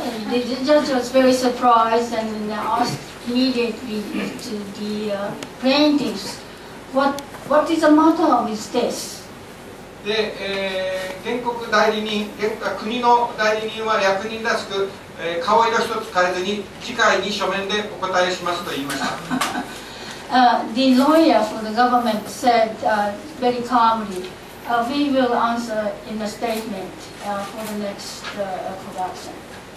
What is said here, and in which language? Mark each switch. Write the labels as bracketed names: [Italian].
[English] The judge was very surprised and asked immediately to the plaintiffs, what is the matter with this? [Japanese] で、原告代理人、国の代理人は役人らしく、顔色一つ変えずに次回に書面でお答えしますと言いました。 [English] The lawyer for the government said very calmly, we will answer in a statement for the next production.